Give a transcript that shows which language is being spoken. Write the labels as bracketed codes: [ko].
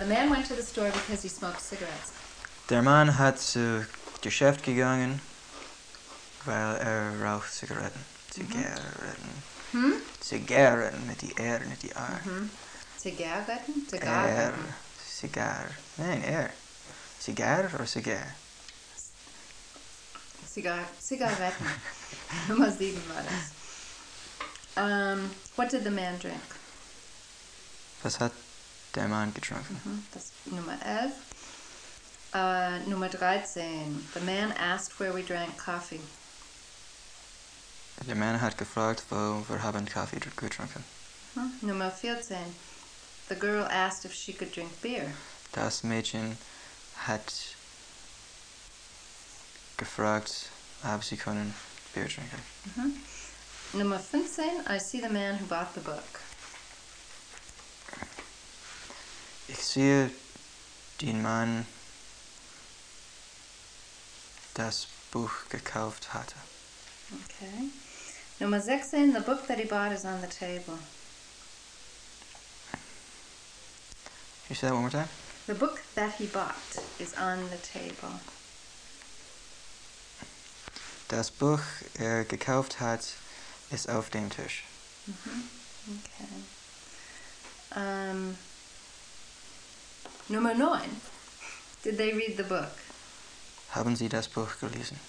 [en] The man went to the store because he smoked cigarettes. [de] Der Mann hat zu Geschäft gegangen, weil er raucht Zigaretten. Zigaretten. Hm? Zigarren, mit die R, mit die R. Zigarren? Zigarren. Zigar. Nein, R. Zigar oder Zigar? Zigaretten. Nummer 7 war das. [en] What did the man drink? [de] Was hat der Mann getrunken? Mhm. Das Nummer 11. Nummer 13. [en] The man asked where we drank coffee. [de] Der Mann hat gefragt, wo wir haben Kaffee getrunken. Hm? Nummer 14. [en] The girl asked if she could drink beer. [de] Das Mädchen hat gefragt, ob sie können Bier trinken. Mhm. Nummer 15. [en] I see the man who bought the book. [de] Ich sehe den Mann, das Buch gekauft hatte. Okay. Nummer 16, [en] the book that he bought is on the table. Can you say that one more time? The book that he bought is on the table. [de] Das Buch, er gekauft hat, ist auf dem Tisch. Mm-hmm. Okay. Nummer 9, [en] did they read the book? [de] Haben Sie das Buch gelesen?